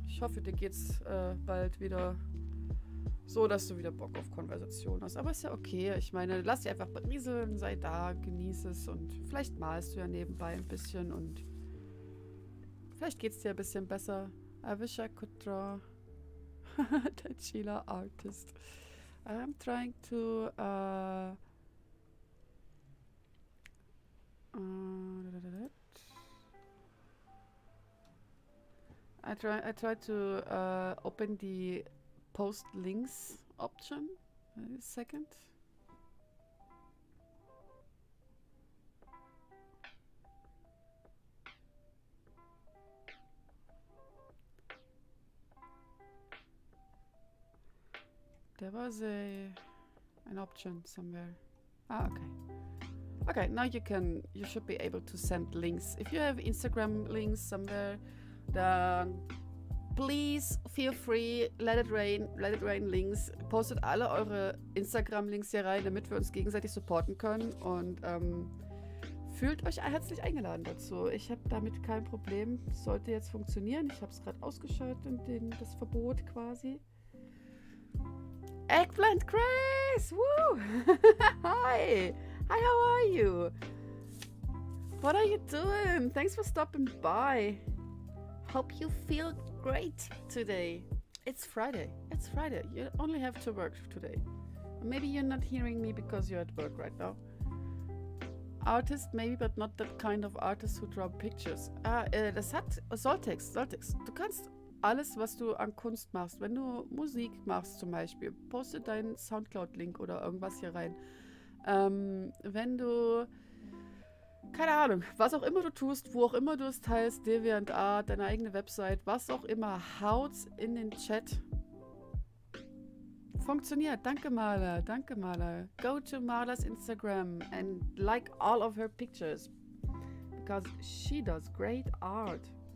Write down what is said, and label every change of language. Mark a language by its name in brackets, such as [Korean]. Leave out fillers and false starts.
[German] Ich hoffe, dir geht's bald wieder so, dass du wieder Bock auf Konversation hast. Aber ist ja okay. Ich meine, lass dich einfach berieseln, sei da, genieß es und vielleicht malst du ja nebenbei ein bisschen und vielleicht geht's dir ein bisschen besser. [English] I wish I could draw. The Chila Artist. I'm trying to I try to open the post links option. Wait a second. There was an option somewhere. Ah, okay. Okay, now you should be able to send links. If you have Instagram links somewhere, then please feel free, let it rain links. [German] Postet alle eure Instagram links hier rein, damit wir uns gegenseitig supporten können und fühlt euch herzlich eingeladen dazu. Ich habe damit kein Problem. Sollte jetzt funktionieren. Ich habe es gerade ausgeschaltet und das Verbot quasi. [English] Eggplant Grace! Woo! Hi! Hi, how are you? What are you doing? Thanks for stopping by. Hope you feel great today. It's Friday. You only have to work today. Maybe you're not hearing me because you're at work right now. Artist, maybe, but not that kind of artist who draw pictures. [German] Das hat Zoltex. Du kannst alles, was du an Kunst machst, wenn du Musik machst zum Beispiel, poste deinen Soundcloud-Link oder irgendwas hier rein. Wenn du, keine Ahnung, was auch immer du tust, wo auch immer du es teilst, DeviantArt, deine eigene Website, was auch immer, haut's in den Chat. Funktioniert. Danke, Maler. Danke, Maler. [English] Go to Malers Instagram and like all of her pictures. Because she does great art.